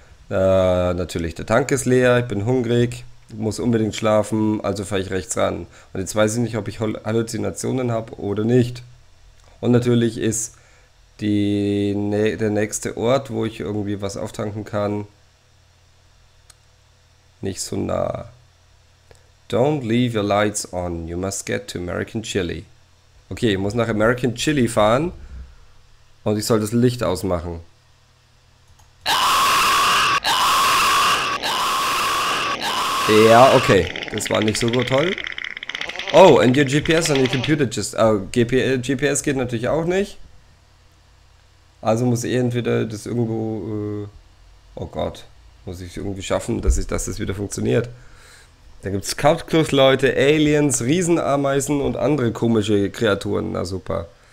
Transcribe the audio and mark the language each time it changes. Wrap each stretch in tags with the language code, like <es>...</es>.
<de>Natürlich, der Tank ist leer, ich bin hungrig, muss unbedingt schlafen, also fahre ich rechts ran. Und jetzt weiß ich nicht, ob ich Halluzinationen habe oder nicht. Und natürlich ist der nächste Ort, wo ich irgendwie was auftanken kann, nicht so nah.</de> <en>Don't leave your lights on. You must get to American Chili.</en> <de>Okay, ich muss nach American Chili fahren und ich soll das Licht ausmachen. Ja, okay. Das war nicht so toll.</de> <en>Oh, and your GPS on your computer just...</en> <de>GPS geht natürlich auch nicht. Also muss ich entweder das irgendwo... oh Gott. Muss ich irgendwie schaffen, dass das wieder funktioniert. Da gibt es Cutcliffe-Leute, Aliens, Riesenameisen und andere komische Kreaturen. Na super.</de>